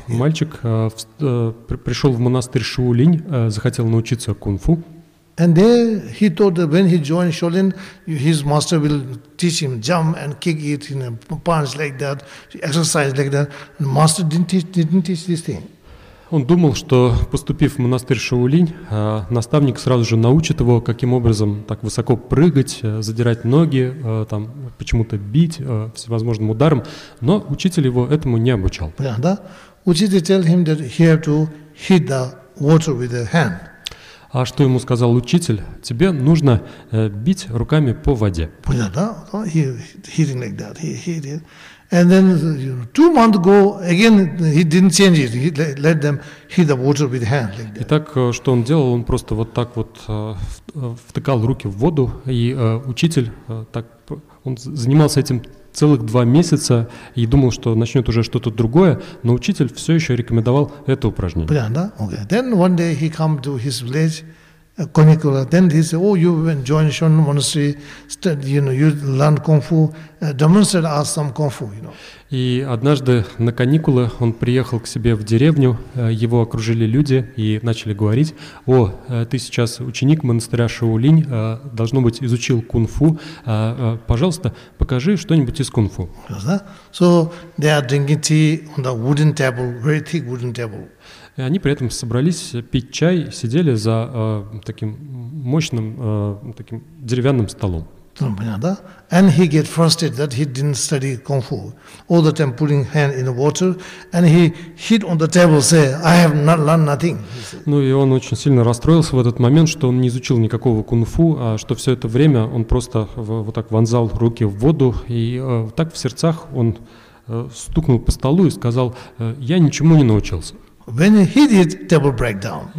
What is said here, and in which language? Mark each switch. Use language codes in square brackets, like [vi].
[ru] пришел в монастырь Шаолинь, захотел научиться кунг-фу. [en] And there he thought that when he joined Shaolin, his master will teach him jump and kick it, you know, punch like that, exercise like that. The master didn't teach this thing. [ru] Он думал, что поступив в монастырь Шаолинь, наставник сразу же научит его, каким образом так высоко прыгать, задирать ноги, там почему-то бить всевозможным ударом, но учитель его этому не обучал. [en] Yeah, да? [ru] Учитель [en] tell him that he have to hit the water with the hand. [ru] А что ему сказал учитель? Тебе нужно бить руками по воде. Понял, да? [en] Hitting like that, he hit it. And then you know, 2 months ago, again, he didn't change it. He let them hit the water with hand like that. [ru] Итак, что он делал? Он просто вот так вот втыкал руки в воду, и учитель так, он занимался этим целых два месяца и думал, что начнет уже что-то другое, но учитель все еще рекомендовал это упражнение. Прямо, okay. [en] Then one day he come to his village, Konikula. Then he said, "Oh, you went join Shon Monastery, study, you know, you learn kung fu, demonstrate us some kung fu, you know." [ru] И однажды на каникулы он приехал к себе в деревню, его окружили люди и начали говорить: «О, ты сейчас ученик монастыря Шаолинь, должно быть, изучил кунг-фу, пожалуйста, покажи что-нибудь из кунг-фу». [en] So they are drinking tea on the wooden table, very thick wooden table. [ru] И они при этом собрались пить чай, сидели за таким мощным таким деревянным столом. Да? [en] And he get frustrated that he didn't study kung fu. All the time putting hand in the water, and he hit on the table, say, "I have not learned nothing." [ru] Ну и он очень сильно расстроился в этот момент, что он не изучил никакого кунг-фу, а что все это время он просто вот так вонзал руки в воду, и так в сердцах он стукнул по столу и сказал: "Я ничему не научился." [en] When he hit it, table break down.